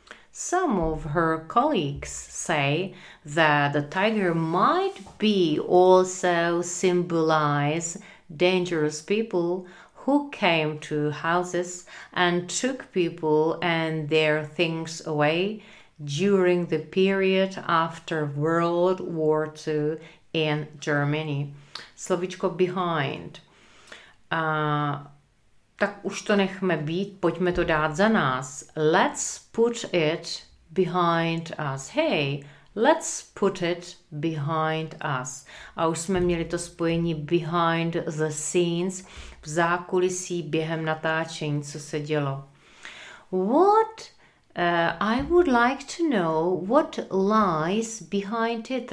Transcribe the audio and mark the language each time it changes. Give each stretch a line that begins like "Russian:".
English: Some of her colleagues say that the tiger might be also symbolize dangerous people who came to houses and took people and their things away during the period after World War II in Germany.
Czech: Slovíčko behind. Tak už to nechme být, pojďme to dát za nás.
English: Let's put it behind us. Hey, let's put it behind us.
Czech: A už jsme měli to spojení behind the scenes, v zákulisí během natáčení, co se dělo.
English: What? I would like to know what lies behind it.